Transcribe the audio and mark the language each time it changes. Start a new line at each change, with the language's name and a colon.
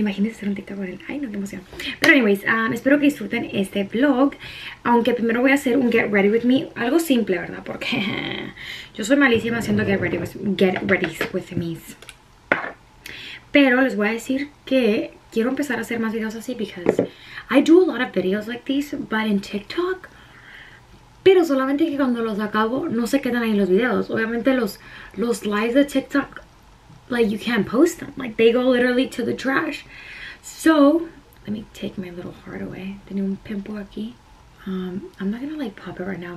Spanish: Imagínense hacer un TikTok con él. Ay, no, qué emoción. Pero anyways, espero que disfruten este vlog. Aunque primero voy a hacer un
English: get ready with me.
Spanish: Algo simple, ¿verdad? Porque yo soy malísima haciendo get ready with me. Pero les voy a decir que quiero empezar a hacer más videos así.
English: Because I do a lot of videos like this, but in TikTok.
Spanish: Pero solamente que cuando los acabo, no se quedan ahí los videos. Obviamente los lives de TikTok,
English: like, you can't post them. Like, they go literally to the trash. So, let me take my little heart away.
Spanish: Tenía un pimple aquí.
English: I'm not gonna, like, pop it right now.